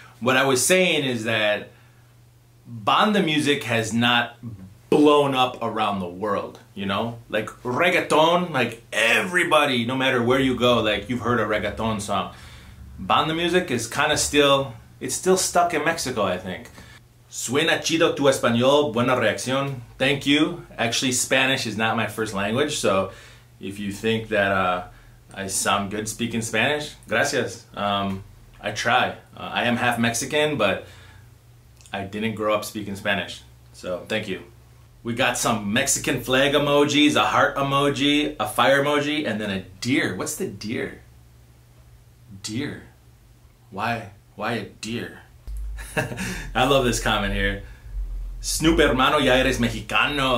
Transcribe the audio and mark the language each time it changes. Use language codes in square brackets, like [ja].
[en] What I was saying is that banda music has not blown up around the world, you know? Like reggaeton, like everybody, no matter where you go, like you've heard a reggaeton song. Banda music is kind of still, it's still stuck in Mexico, I think. [es] Suena chido tu español, buena reacción. [en] Thank you. Actually, Spanish is not my first language, so if you think that I sound good speaking Spanish, gracias. I try. I am half Mexican, but I didn't grow up speaking Spanish, so thank you. We got some Mexican flag emojis, a heart emoji, a fire emoji, and then a deer. What's the deer? Deer. Why a deer? I love this comment here. [es] Snoop hermano ya eres mexicano.